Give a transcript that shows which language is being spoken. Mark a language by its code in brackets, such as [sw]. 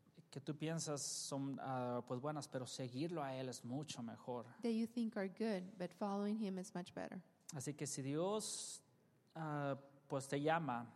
[es] Que tú piensas son pues buenas, pero seguirlo a él es mucho mejor. [en] That you think are good, but following him is much better. [es] Así que si Dios pues te llama.